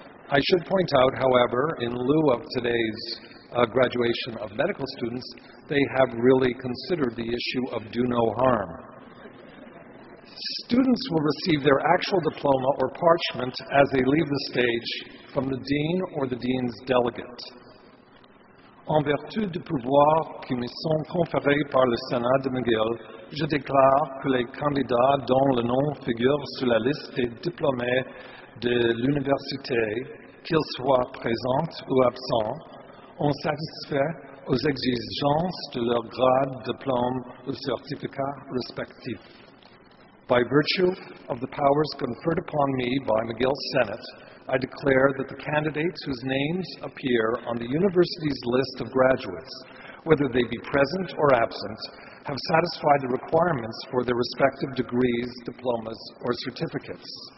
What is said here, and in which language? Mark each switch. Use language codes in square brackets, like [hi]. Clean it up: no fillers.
[en] I should point out, however, in lieu of today's graduation of medical students, they have really considered the issue of do no harm. Students will receive their actual diploma or parchment as they leave the stage from the dean or the dean's delegate. [fr] En vertu du pouvoir qui me sont conférés par le Sénat de McGill, je déclare que les candidats dont le nom figure sur la liste des diplômés de l'université, qu'ils soient présents ou absents, ont satisfait aux exigences de leur grade, diplôme ou certificat respectif. [en] By virtue of the powers conferred upon me by McGill Senate, I declare that the candidates whose names appear on the university's list of graduates, whether they be present or absent, have satisfied the requirements for their respective degrees, diplomas, or certificates.